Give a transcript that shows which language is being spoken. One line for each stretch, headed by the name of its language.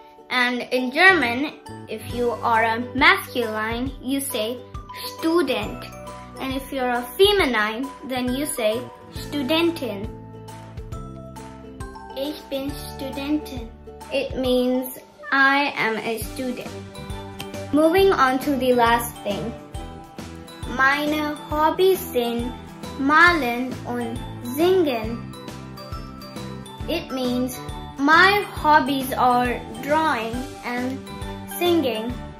English: And in German, if you are a masculine, you say Student. And if you're a feminine, then you say Studentin.
German: Ich bin Studentin.
English: It means I am a student. Moving on to the last thing.
German: Meine Hobbys sind Malen und Singen.
English: It means my hobbies are drawing and singing.